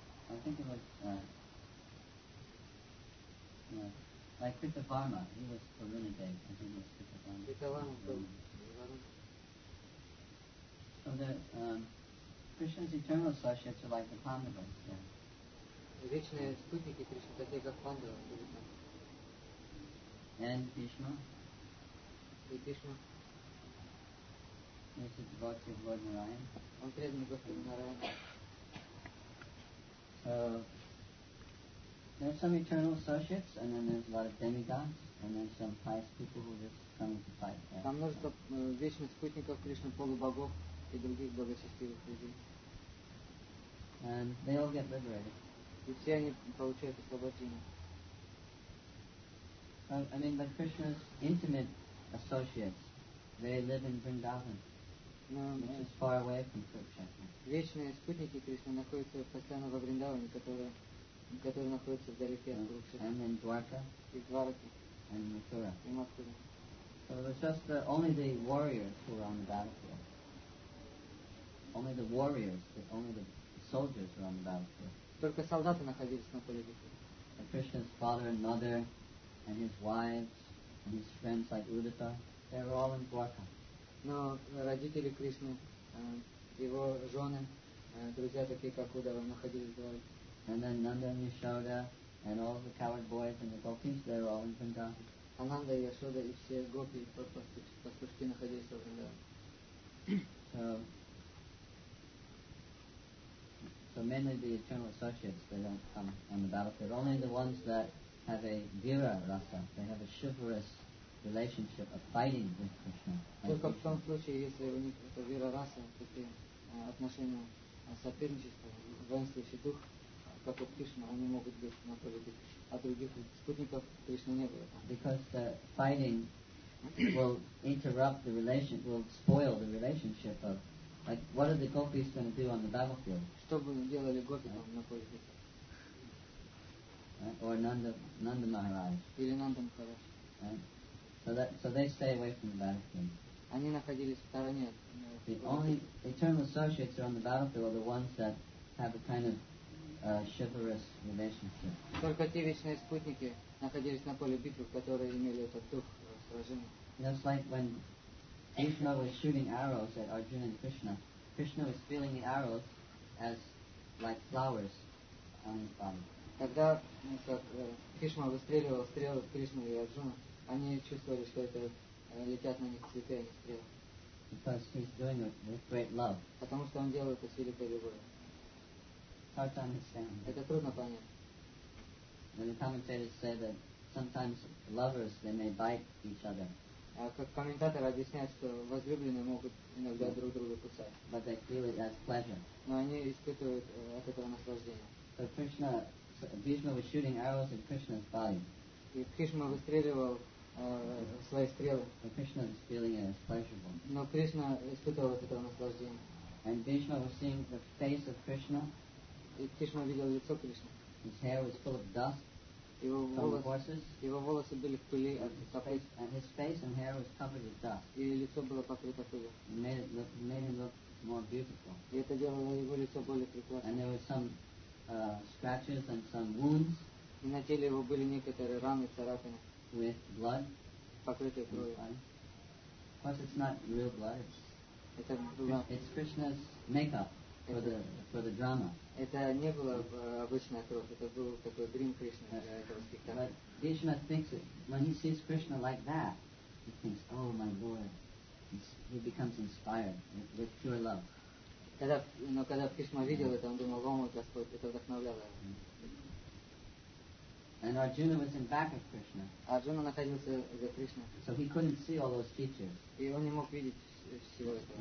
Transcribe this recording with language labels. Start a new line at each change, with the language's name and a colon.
English: I think it was like Krita Varma, he was the renegade. I think it was Krita Varma. Krita Varma. So that Krishna's eternal associates are like the Pandavas.
Russian: Вечные спутники Кришны такие как Пандавы.
English: And Bhishma.
Russian: И Бхишма.
English: He's a devotee of Lord Narayana.
Russian: Он преданный Господу Нараяна.
English: So There's some eternal associates, and then there's a lot of demigods, and then some pious people who just come to fight. Yeah.
Russian: Там множество вечных спутников Кришны, полубогов и других благочестивых людей.
English: And they all get liberated.
Russian: И все они получают освобождение.
English: I mean, like Krishna's intimate associates, they live in Vrindavan, which is far away from Kurukshetra.
Russian: Вечные спутники Кришны находятся постоянно во Вриндаване, которые находятся вдалеке от Курукшетры.
English: And in Dwarka.
Russian: И Дварки.
English: And in Mathura.
Russian: И Мафтура.
English: So it was just only the warriors who were on the battlefield. Only the warriors, only the soldiers were on the battlefield.
Russian: Только солдаты находились на поле битвы.
English: And Krishna's father and mother, and his wives, and his friends like Udita, they were all in Dwarka.
Russian: Но родители Кришны, его жены, друзья такие, как Удава, находились в Дварке.
English: And then Nanda and Yashoda and all the coward boys and the gopis, they were all in Vrindavan.
Russian: Ananda, Yashoda,
English: and all the gopis,
Russian: pastushki, находились в Вриндаване.
English: So mainly the eternal associates, they don't come on the battlefield. Only the ones that have a vira rasa, they have a chivalrous relationship of fighting with Krishna.
Russian: Только в том случае, если у них это вира раса, такие отношения соперничества, воинствующий дух, как у Кришны, они могут быть на поле битвы. А других спутников Кришны не было.
English: Because the fighting will interrupt the relationship, will spoil the relationship of, like, what are the gopis going to do on the battlefield?
Russian: Что бы делали гопи там на поле битвы?
English: Or Nanda Maharaj.
Russian: Или Нанда Махарадж.
English: So they stay away from the battlefield.
Russian: Они находились в стороне.
English: The only eternal associates are on the battlefield are the ones that have a kind of chivalrous relationship.
Russian: Только те вечные спутники находились на поле битвы, которые имели этот дух сражения.
English: Just like when Krishna was shooting arrows at Arjuna and Krishna, Krishna was feeling the arrows as like flowers on his body.
Russian: Когда Кришна выстреливал стрелы в Кришну и Арджуну, они чувствовали, что это летят на них цветы, а не стрелы.
English: Because he's doing it with great love.
Russian: Потому что он делает это с великой любовью.
English: Hard to understand.
Russian: Это трудно понять.
English: When the commentators say that sometimes lovers, they may bite each other.
Russian: А как комментаторы объясняют, что возлюбленные могут иногда друг друга кусать.
English: But they feel it as pleasure.
Russian: Но они испытывают от этого наслаждение.
English: So Krishna, Bhishma was shooting arrows at Krishna's body.
Russian: И Кришна выстреливал свои стрелы.
English: But Krishna was feeling it as pleasurable.
Russian: Но Кришна испытывал от этого наслаждение.
English: And Bhishma was seeing the face of Krishna.
Russian: И Кришна видел лицо Кришны.
English: His hair was full of dust.
Russian: Его волосы были в пыли.
English: And his face and hair was covered with dust.
Russian: И лицо было покрыто пылью.
English: Made him look more beautiful.
Russian: И это делало его лицо более прекрасным.
English: And there was some scratches and some wounds.
Russian: И на теле его были некоторые раны, царапины.
English: With blood.
Russian: Покрытые кровью.
English: Of course, it's not real blood. It's Krishna's makeup for the drama.
Russian: Это не было обычная кровь, это был такой dream Krishna для этого спектакля.
English: But Krishna thinks it, when he sees Krishna like that, he thinks, oh my boy, he becomes inspired with pure love.
Russian: Когда Кришна видел это, он думал, о мой Господь, это вдохновляло.
English: And Arjuna was in back of Krishna.
Russian: Arjuna находился за Кришной.
English: So he couldn't see all those features.
Russian: И он не мог видеть всего этого.